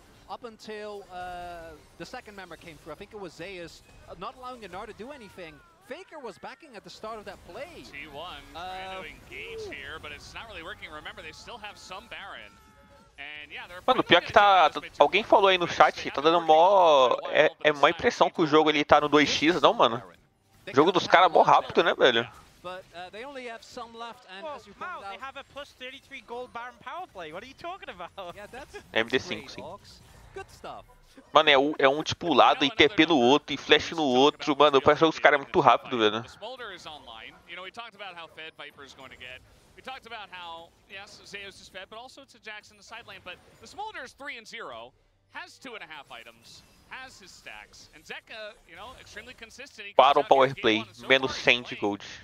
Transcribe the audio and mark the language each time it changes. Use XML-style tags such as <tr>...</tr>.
<en>Up until the second member came through, I think it was Zayas, not allowing Gnar to do anything. Faker was backing at the start of that play. T1 trying to engage here, but it's not really working. Remember, they still have some Baron. And yeah, they're</en> <pt>mano, pior que tá... Alguém falou aí no chat, tá dando mó... É uma impressão que o jogo ele tá no 2x, não, mano? O jogo dos caras é mó rápido, né, velho?</pt> <en>But they only have some left, and well, as you found out, they have a plus 33 gold Baron power play. What are you talking about? Yeah, that's MD5, sim. Good stuff.</en> <pt>Mano, é um tipo lado e TP no outro e flash no outro. Mano, parece que os caras é muito rápido, velho.</pt> <en>The Smolder is online. You know, we talked about how fed Viper is going to get. We talked about how, yes, Zeus is fed, but also it's a Jax in the side lane. But the Smolder is 3-0, has 2.5 items. Has his stacks. And Zekka, you know, extremely consistent.</en> <pt>Baron power play, menos 100 de gold.</pt>